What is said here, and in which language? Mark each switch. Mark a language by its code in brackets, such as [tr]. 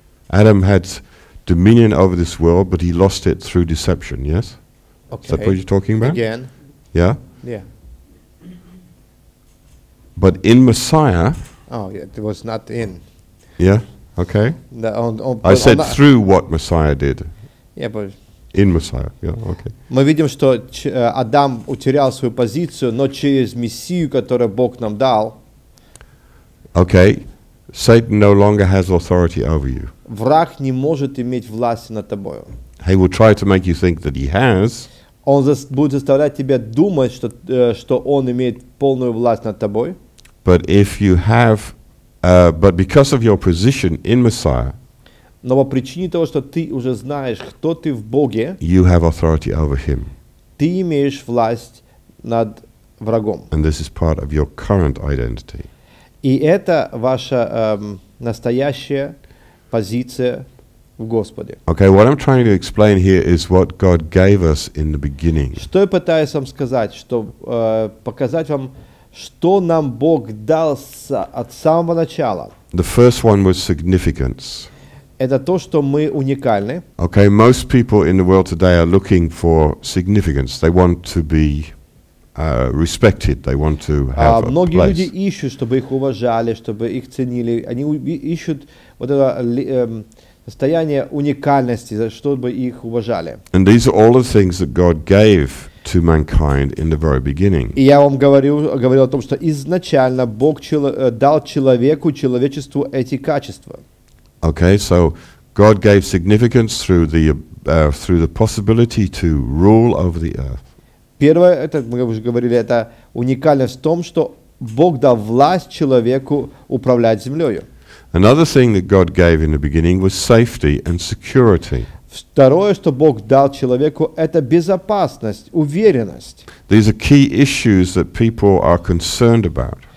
[en] Adam had dominion over this world, but he lost it through deception, yes? Okay. Is that what you're talking about? Again. Yeah? Yeah. But in Messiah. Oh, yeah, it was not in. Yeah? Okay. I said through what Messiah did. Yeah, but. In Messiah. Yeah, okay. [ru] Мы видим, что Адам утерял свою позицию, но через Мессию, которую Бог нам дал. [en] Okay. Satan no longer has authority over you. [ru] Враг не может иметь власти над тобою. [en] He will try to make you think that he has. [ru] Он будет заставлять тебя думать, что он имеет полную власть над тобой. [en] But if you have but because of your position in Messiah. [ru] Но по причине того, что ты уже знаешь, кто ты в Боге. [en] You have authority over him. [ru] Ты имеешь власть над врагом. [en] And this is part of your current identity. [ru] И это ваша настоящая позиция в Господе. [en] Okay, what I'm trying to explain here is what God gave us in the beginning. [ru] Что я пытаюсь вам сказать, что показать вам, что нам Бог дал от самого начала. [en] The first one was significance. [ru] Это то, что мы уникальны. [en] Okay, most people in the world today are looking for significance. They want to be respected. They want to have a place. [ru] Многие люди ищут, чтобы их уважали, чтобы их ценили. Они ищут вот это состояние уникальности, чтобы их уважали. [en] And these are all the things that God gave to mankind in the very beginning. [ru] И я вам говорил о том, что изначально Бог дал человечеству эти качества. [en] Okay, so God gave significance through the possibility to rule over the earth. [ru] Первое, это мы уже говорили, это уникальность в том, что Бог дал власть человеку управлять землёю. [en] Another thing that God gave in the beginning was safety and security. [ru] Второе, что Бог дал человеку, это безопасность, уверенность. [en] These are key issues that people are concerned about.